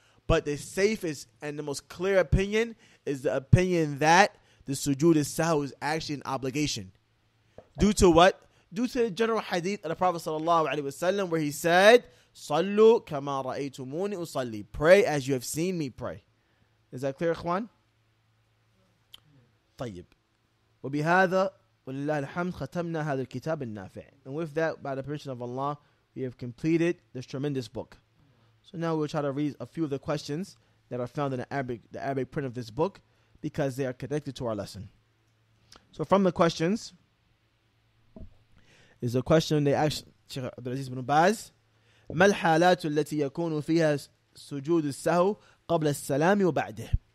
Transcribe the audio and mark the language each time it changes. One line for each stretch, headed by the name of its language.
English: But the safest and the most clear opinion is the opinion that the sujood as-sahw is actually an obligation. Due to what? Due to the general hadith of the Prophet sallallahu alaihi wasallam, where he said,
Arabic: "Sallu kama ra'aytumuni usalli,"
English: pray as you have seen me pray. Is that clear, ikhwan?
Arabic: طيب وبهذا ولله الحمد ختمنا هذا الكتاب النافع.
English: And with that, by the permission of Allah, we have completed this tremendous book. So now we'll try to read a few of the questions that are found in the Arabic print of this book, because they are connected to our lesson. So from the questions, is a question they ask Sheikh Abdulaziz ibn Baz,
Arabic: ما الحالات التي يكون فيها سجود السهو قبل السلام وبعده?